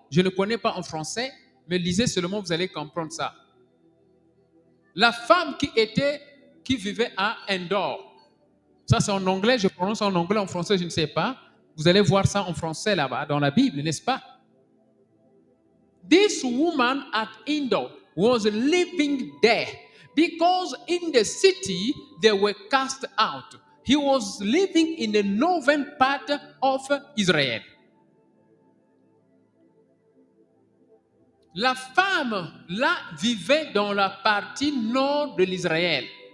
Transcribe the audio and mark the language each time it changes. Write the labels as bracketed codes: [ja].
[fr] Je ne connais pas en français, mais lisez seulement, vous allez comprendre ça. La femme qui vivait à Endor. Ça, c'est en anglais, je prononce en anglais, en français, je ne sais pas. Vous allez voir ça en français là-bas, dans la Bible, n'est-ce pas? [en] This woman at Endor was living there because in the city they were cast out. He was living in the northern part of Israel. [fr] La femme là vivait dans la partie nord de l'Israël.